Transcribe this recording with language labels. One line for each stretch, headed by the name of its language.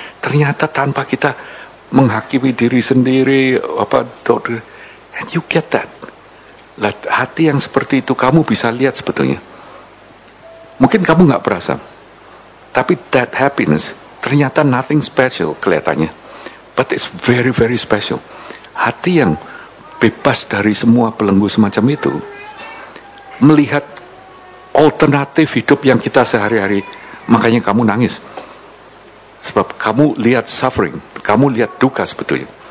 Indonesian: Ternyata tanpa kita menghakimi diri sendiri, apa,
English: and you get that.
Indonesian: Lah, hati yang seperti itu, kamu bisa lihat sebetulnya. Mungkin kamu enggak berasa, tapi
English: that happiness,
Indonesian: ternyata
English: nothing special
Indonesian: kelihatannya.
English: But it's very, very special.
Indonesian: Hati yang bebas dari semua belenggu semacam itu, melihat alternatif hidup yang kita sehari-hari, makanya kamu nangis. Sebab kamu lihat suffering, kamu lihat duka sebetulnya.